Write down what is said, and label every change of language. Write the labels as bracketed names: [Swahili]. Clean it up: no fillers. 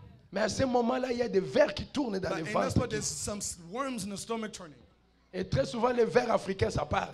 [French] Mais à ce moment-là, il y a des vers qui tournent dans [English] but [French] les ventres. [English] And that's why there's some worms in the stomach turning. [French] Et très souvent, les vers africains, ça parle.